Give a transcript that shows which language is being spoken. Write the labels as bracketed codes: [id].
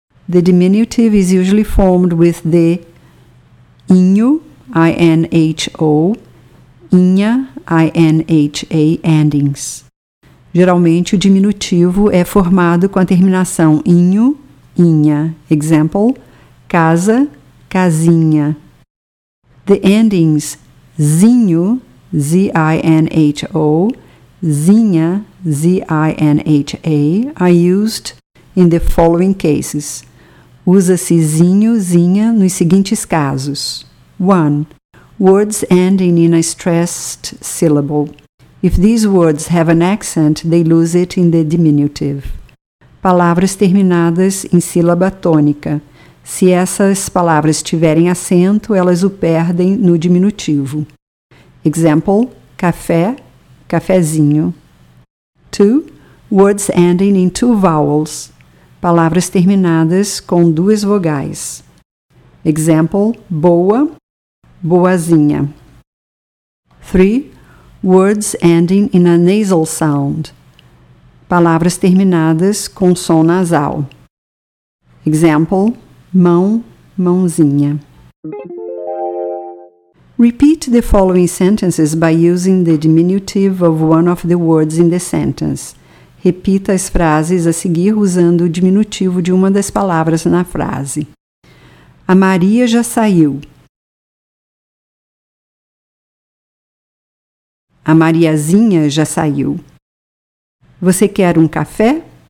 [en] The diminutive is usually formed with the inho, I-N-H-O, inha, I-N-H-A, endings. [pt] Geralmente, o diminutivo é formado com a terminação inho, inha. [en] Example, casa, casinha. The endings zinho, Z-I-N-H-O, zinha, Z-I-N-H-A, are used in the following cases. [pt] Usa-se zinho, zinha nos seguintes casos. 1. [en] Words ending in a stressed syllable. If these words have an accent, they lose it in the diminutive. [pt] Palavras terminadas em sílaba tônica. Se essas palavras tiverem acento, elas o perdem no diminutivo. [en] Example, café, cafezinho. 2. Words ending in two vowels. [pt] Palavras terminadas com duas vogais. [en] Example, boa, boazinha. 3. Words ending in a nasal sound. [pt] Palavras terminadas com som nasal. [en] Example, mão, mãozinha. Repeat the following sentences by using the diminutive of one of the words in the sentence. [pt] Repita as frases a seguir usando o diminutivo de uma das palavras na frase. A Maria já saiu. A Mariazinha já saiu. Você quer um café?